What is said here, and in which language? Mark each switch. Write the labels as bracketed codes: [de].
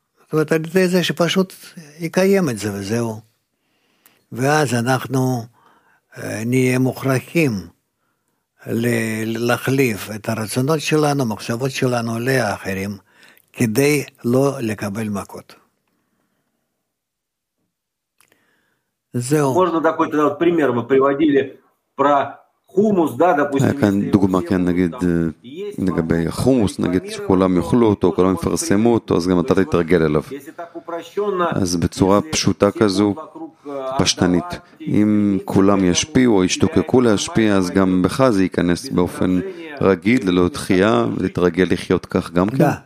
[he] זאת אומרת, על ידי זה שפשוט יקיים את זה וזהו. ואז אנחנו נהיה מוכרחים להחליף את הרצונות שלנו, מחשבות שלנו לאחרים, כדי לא לקבל מכות. זהו. [ru] можно такой тогда вот пример мы приводили про хумус, да, допустим. [he] היה כאן דוגמה, כן, נגיד, לגבי החומוס, נגיד שכולם יאכלו אותו, כולם יפרסמו אותו, אז גם אתה תתרגל אליו. אז בצורה פשוטה כזו, פשטנית, אם כולם ישפיעו או ישתוקקו להשפיע, אז גם בך זה ייכנס באופן רגיל, ללא דחייה, ותתרגל לחיות כך גם כן.